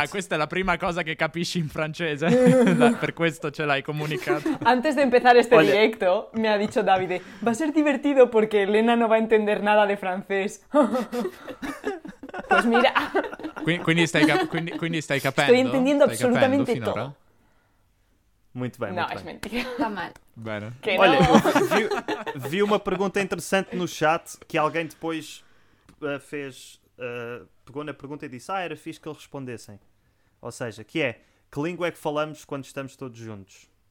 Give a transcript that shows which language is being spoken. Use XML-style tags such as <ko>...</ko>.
<it>Ah, questa è la prima cosa che capisci in francese. Per questo ce l'hai comunicato.</it> <es>Antes de empezar este directo, mi ha dicho Davide, va a ser divertido porque Elena no va a entender nada de francés. Pues mira.</es> <it>Quindi stai capendo?</it> <es>Estoy entendiendo absolutamente todo.</es> <pt>Muito bem, não, muito bem. Não, é mentira. Tá mal.</pt> <es>Bueno.</es> <pt>Olha, vi uma pergunta interessante no chat que alguém depois fez, pegou na pergunta e disse, ah, era fixe que eles respondessem. Ou seja, que é, que língua é que falamos quando estamos todos juntos?</pt>